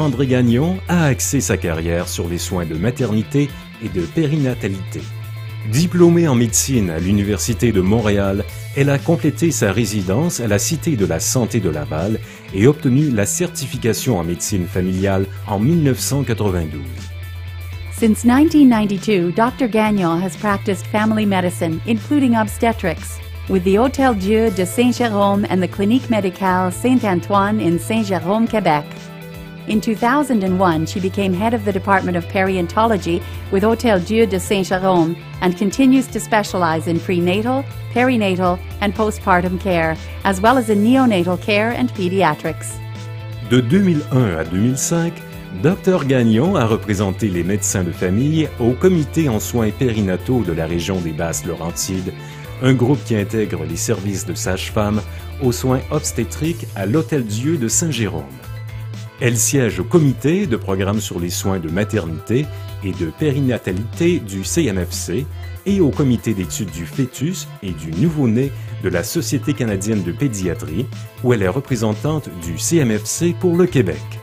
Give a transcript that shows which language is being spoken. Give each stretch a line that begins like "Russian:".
French: André Gagnon a axé sa carrière sur les soins de maternité et de périnatalité. Diplômée en médecine à l'Université de Montréal, elle a complété sa résidence à la Cité de la Santé de Laval et obtenu la certification en médecine familiale en 1992.
English: Since 1992, Dr. Gagnon has practiced family medicine, including obstetrics, with the Hôtel Dieu de Saint-Jérôme and the Clinique Médicale Saint-Antoine in Saint-Jérôme, Quebec. In 2001, she became head of the Department of Perinatology with Hôtel Dieu de Saint-Jérôme and continues to specialize in prenatal, perinatal, and postpartum care, as well as in neonatal care and pediatrics.
French: De 2001 à 2005, Dr. Gagnon a représenté les médecins de famille au Comité en soins périnataux de la région des Basses-Laurentides, un groupe qui intègre les services de sages-femmes aux soins obstétriques à l'Hôtel Dieu de Saint-Jérôme. Elle siège au comité de programme sur les soins de maternité et de périnatalité du CMFC et au comité d'études du fœtus et du nouveau-né de la Société canadienne de pédiatrie, où elle est représentante du CMFC pour le Québec.